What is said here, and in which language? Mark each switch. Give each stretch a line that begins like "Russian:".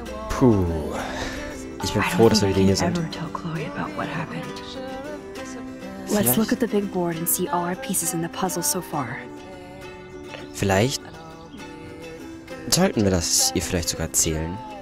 German: Puh. Ich bin froh, dass wir wieder hier sind.
English: I don't think I can ever tell Chloe about what happened. Let's look at the big board and see all our pieces in the puzzle so far.
German: Vielleicht sollten wir das ihr vielleicht sogar zählen.